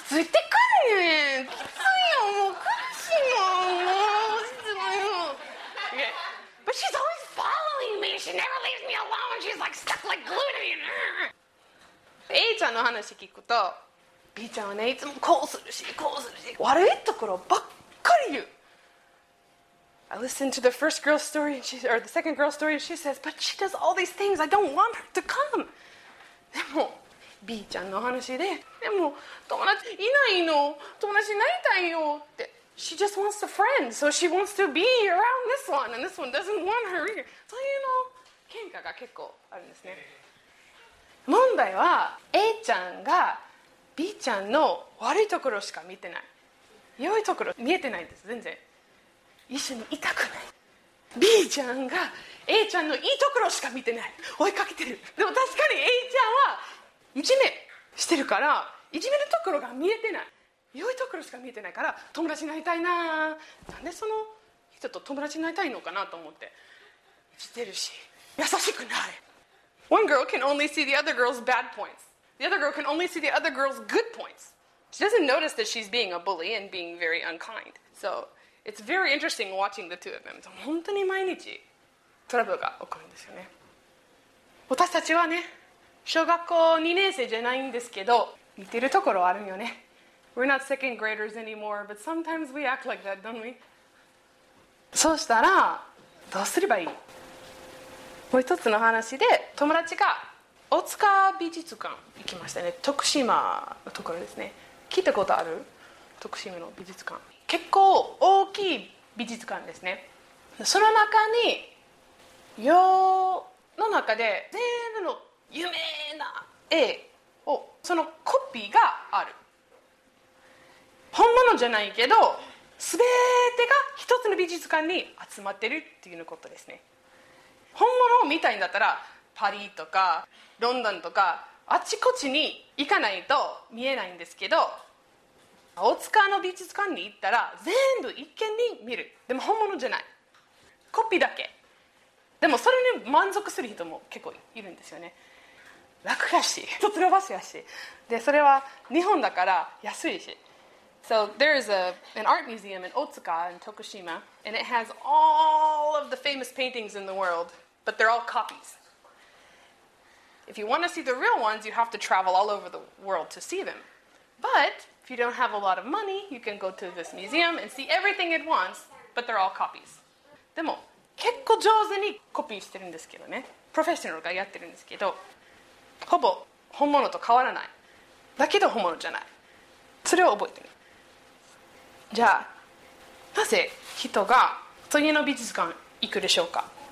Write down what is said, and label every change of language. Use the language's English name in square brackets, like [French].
[Japanese] ついてくるよね。きついよ、もう苦しいよ、もう。いつもよ。 [English] OK. But she's always following me. She never leaves me alone. She's like stuck like glue to me. [Japanese] A ちゃんの話聞くと、B ちゃんはね、いつもこうするし、こうするし、悪いところばっかり言う。 [English] I listened to the first girl's story, and she, or the second girl's story, and she says, but she does all these things, I don't want her to come. [Japanese] でも、B ちゃんの話で、でも、友達いないの、友達になりたいよって。 [English] She just wants a friend, so she wants to be around this one, and this one doesn't want her either. [Japanese] そういうの、喧嘩が結構あるんですね。問題は、A ちゃんが、B ちゃんの悪いところしか見てない、良いところ見えてないんです。全然一緒にいたくない。B ちゃんが A ちゃんのいいところしか見てない、追いかけてる。でも確かに A ちゃんはいじめしてるから、いじめるところが見えてない、良いところしか見えてないから、友達になりたいな、なんでその人と友達になりたいのかなと思って、してるし優しくない。 [English] One girl can only see the other girl's bad pointsThe other girl can only see the other girl's good points. She doesn't notice that she's being a bully and being very unkind. So it's very interesting watching the two of them. [Japanese] 本当に毎日トラブルが起こるんですよね。私たちはね、小学校2年生じゃないんですけど、似てるところあるよね。 [English] We're not second graders anymore, but sometimes we act like that, don't we? [Japanese] そうしたら、どうすればいい？もう一つの話で、友達が大塚美術館行きましたね。徳島のところですね。聞いたことある？徳島の美術館、結構大きい美術館ですね。その中に世の中で全部の有名な絵を、そのコピーがある。本物じゃないけど、全てが一つの美術館に集まってるっていうことですね。本物を見たいんだったら、パリとかロンドンとかあちこちに行かないと見えないんですけど、大塚の美術館に行ったら全部一見に見る。でも本物じゃない、コピーだけ。でもそれに満足する人も結構いるんですよね。楽やし、一つの場所やし、でそれは日本だから安いし。 [English] So there is an art museum in Otsuka in Tokushima, and it has all of the famous paintings in the world, but they're all copies. If you want to see the real ones, you have to travel all over the world to see them. But if you don't have a lot of money, you can go to this museum and see everything at once, but they're all copies. [Japanese] でも結構上手にコピーしてるんですけどね。プロフェッショナルがやってるんですけど、ほぼ本物と変わらない。だけど本物じゃない。それを覚えてね。じゃあ、なぜ人が次の美術館行くでしょうか？